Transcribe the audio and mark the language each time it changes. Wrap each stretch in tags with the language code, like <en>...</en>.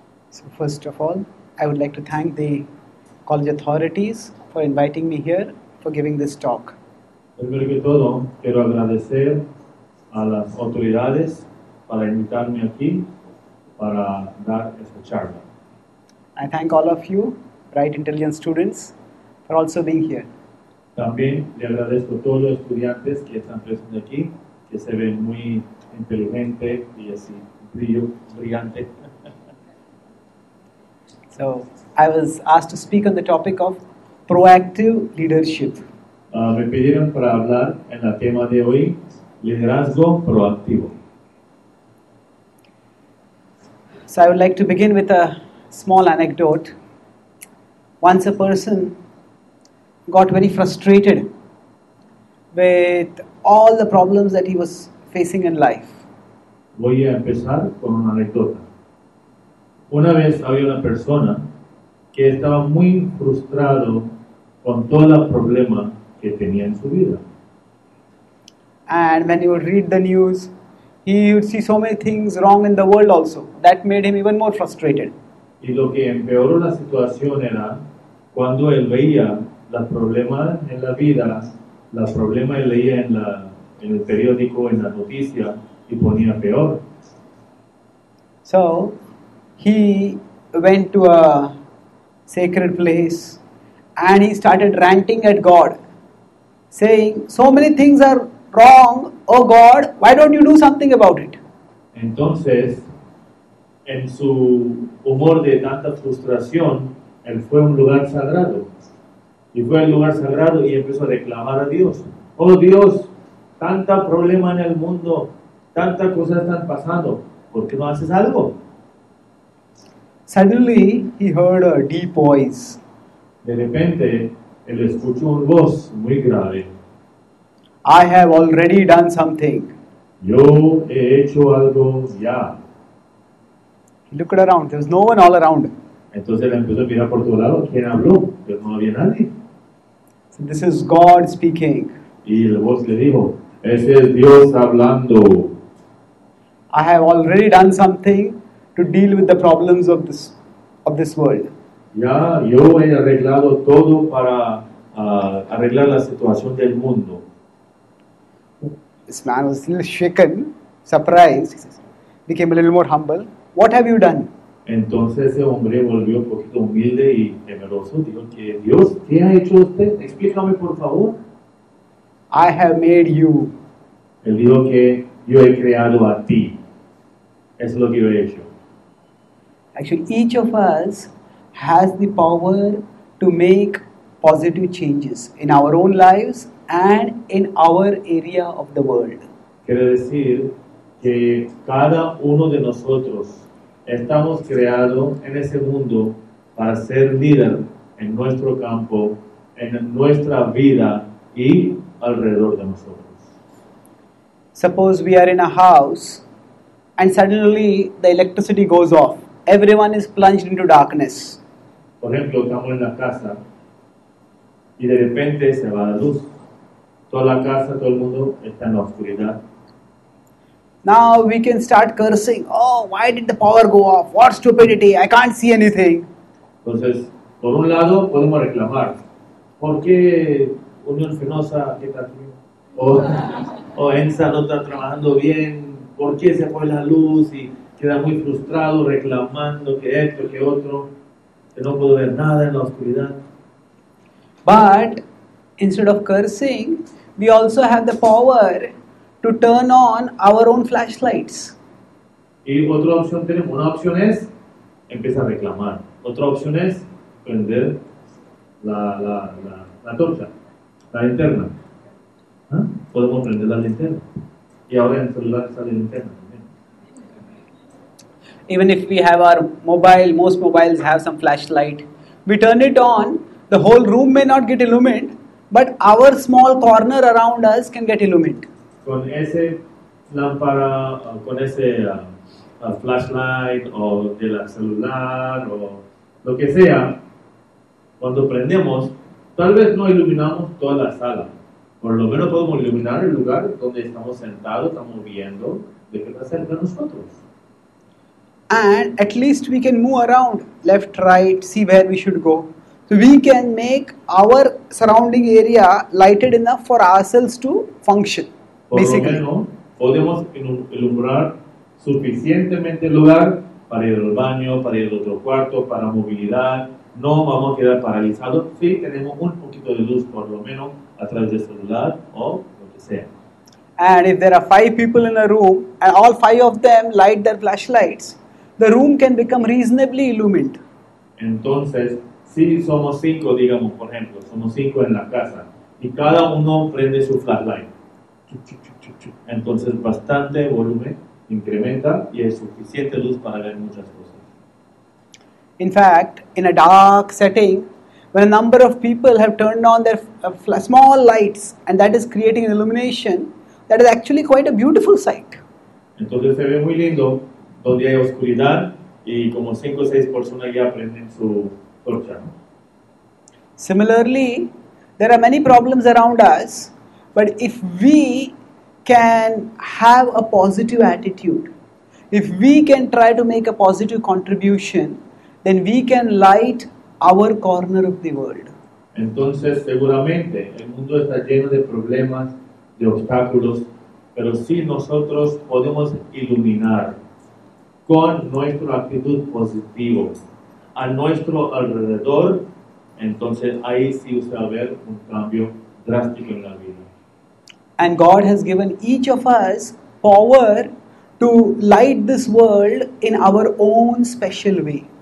<en>So first of all, I would like to thank the college authorities for inviting me here for giving this talk.</en> <es>Primero que todo, quiero agradecer a las autoridades para invitarme aquí para dar esta charla.</es> <en>I thank all of you, bright intelligent students, for also being here.</en> <es>También le agradezco a todos los estudiantes que están presentes aquí, que se ven muy inteligente y así brillante.</es> <en>So, I was asked to speak on the topic of proactive leadership.</en> <es>Me pidieron para hablar en el tema de hoy, liderazgo proactivo.</es> <en>So, I would like to begin with a small anecdote. Once a person got very frustrated with all the problems that he was facing in life.</en> <es>Voy a empezar con una anécdota. Una vez había una persona que estaba muy frustrado con todos los problemas que tenía en su vida.</es> <en>And when he would read the news, he would see so many things wrong in the world also. That made him even more frustrated.</en> <es>Y lo que empeoró la situación era cuando él veía los problemas en la vida, los problemas él leía en el periódico, en la noticia, y ponía peor.</es> <en>So, he went to a sacred place and he started ranting at God, saying, so many things are wrong, oh God, why don't you do something about it?</en> <es>Entonces, en su humor de tanta frustración, él fue a un lugar sagrado. Y fue al lugar sagrado y empezó a reclamar a Dios. Oh Dios, tanta problema en el mundo, tanta cosa están pasando, ¿por qué no haces algo?</es> <en>Suddenly, he heard a deep voice.</en> <es>De repente, él escuchó una voz muy grave.</es> <en>I have already done something.</en> <es>Yo he hecho algo ya.</es> <en>He looked around. There was no one all around.</en> <es>Entonces, él empezó a mirar por todo lado. ¿Quién habló? Pero no había nadie.</es> <en>So this is God speaking.</en> <es>Y la voz le dijo, ese es Dios hablando.</es> <en>I have already done something to deal with the problems of this world.</en> <es>Ya, yo he arreglado todo para arreglar la situación del mundo.</es> <en>This man was a little shaken, surprised. He says, became a little more humble. What have you done?</en> <es>Entonces ese hombre volvió un poquito humilde y temeroso. Dijo que Dios, ¿qué ha hecho usted? Explícame por favor.</es> <en>I have made you.</en> <es>Él dijo que yo he creado a ti. Es lo que yo he hecho.</es> <en>Actually, each of us has the power to make positive changes in our own lives and in our area of the world.</en> <es>Quiere decir que cada uno de nosotros estamos creados en ese mundo para ser líder en nuestro campo, en nuestra vida y alrededor de nosotros.</es> <en>Suppose we are in a house and suddenly the electricity goes off. Everyone is plunged into darkness.</en> <es>Por ejemplo, estamos en la casa y de repente se va la luz. Toda la casa, todo el mundo está en la oscuridad.</es> <en>Now we can start cursing. Oh, why did the power go off? What stupidity! I can't see anything.</en> <es>Entonces, por un lado, podemos reclamar. ¿Por qué Unión Fenosa que está aquí? O ENSA no está trabajando bien. ¿Por qué se fue la luz? Y queda muy frustrado reclamando que esto, que otro, que no puedo ver nada en la oscuridad.</es> <en>But instead of cursing, we also have the power to turn on our own flashlights.</en> <es>Y otra opción tenemos. Una opción es empezar a reclamar. Otra opción es prender la torcha, la linterna. ¿Ah? Podemos prender la linterna. Y ahora en el celular sale la linterna.</es> <en>Even if we have our mobile, most mobiles have some flashlight. We turn it on, the whole room may not get illumined, but our small corner around us can get illumined.</en> <es>Con ese lámpara, con ese flashlight, o de la celular, o lo que sea, cuando prendemos, tal vez no iluminamos toda la sala. Por lo menos podemos iluminar el lugar donde estamos sentados, estamos viendo, de qué está cerca de nosotros.</es> <en>And at least we can move around left, right, see where we should go. So we can make our surrounding area lighted enough for ourselves to function. Basically.</en> <es>Por lo menos, podemos ilumbrar suficientemente el lugar para ir al baño, para ir al otro cuarto, para movilidad. No vamos a quedar paralizados. Sí, tenemos un poquito de luz, por lo menos, a través del celular o lo que sea.</es> <en>And if there are five people in a room and all five of them light their flashlights, the room can become reasonably illumined.</en> <es>Entonces, si somos cinco, digamos, por ejemplo, somos cinco en la casa y cada uno prende su flashlight, entonces bastante volumen incrementa y es suficiente luz para ver muchas cosas.</es> <en>In fact, in a dark setting, when a number of people have turned on their small lights and that is creating an illumination, that is actually quite a beautiful sight.</en> <es>Entonces se ve muy lindo donde hay oscuridad y como 5 o 6 personas ya prenden su torcha.</es> <en>Similarly, there are many problems around us, but if we can have a positive attitude, if we can try to make a positive contribution, then we can light our corner of the world.</en> <es>Entonces seguramente el mundo está lleno de problemas, de obstáculos, pero si nosotros podemos iluminar con nuestra actitud positiva a nuestro alrededor, entonces ahí sí usted va a ver un cambio drástico en la vida.</es> <en>And God has given each of us power to light this world in our own special way.</en>